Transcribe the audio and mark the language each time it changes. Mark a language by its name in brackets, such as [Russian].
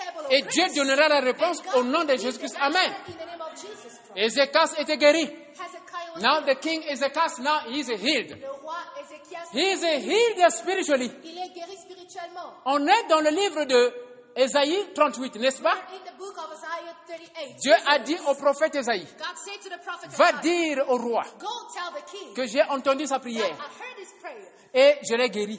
[French] Et Dieu donnera la réponse au nom de Jésus-Christ. Amen. Ézéchias était guéri. [English] Now the king Ézéchias, now he is healed. [French] Le roi [English] Ézéchias, he is healed spiritually. [French] Il est guéri spirituellement. On est dans le livre de Ésaïe 38, n'est-ce pas? [English] In the book of Isaiah 38, [French] Dieu a dit au prophète Ésaïe, [English] God said to the prophet Isaiah, [French] va dire au roi [English] go tell the king [French] que j'ai entendu sa prière [English] that I heard his prayer, [French] et je l'ai guéri.